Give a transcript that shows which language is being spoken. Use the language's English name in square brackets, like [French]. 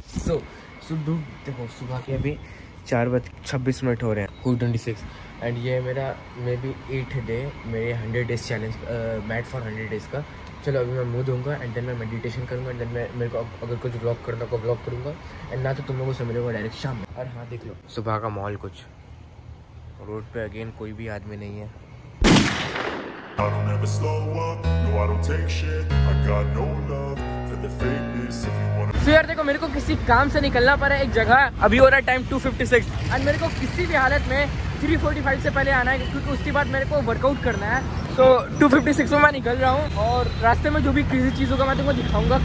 [English] So dude, [Hindi] देखो सुबह के अभी 4:26 हो रहे हैं 4:26 एंड ये मेरा [English] maybe 8th day [Hindi] मेरे [English] 100 days challenge mat for 100 days [Hindi] का. चलो अभी मैं मुंह धोऊंगा [English] and then [Hindi] मैं मेडिटेशन करूंगा एंड देन मैं मेरे को अगर कुछ व्लॉग करना को व्लॉग करूंगा एंड ना तो तुम लोगों से मिलूंगा डायरेक्ट शाम में. और हाँ देख लो सुबह का माहौल कुछ रोड पे [English] again [Hindi] कोई भी आदमी नहीं है. [English] I don't ever slow up, no I don't take shit, I got no love. [Hindi] देखो मेरे को किसी काम से निकलना पड़ा है एक जगह. अभी हो रहा है टाइम 2:56 [English] and [Hindi] मेरे को किसी भी हालत में 3:45 से पहले आना है क्योंकि उसके बाद मेरे को वर्कआउट करना है. [English] so [Hindi] 2:56 में मैं निकल रहा हूँ और रास्ते में जो भी क्रेजी चीज होगा मैं तुमको दिखाऊंगा.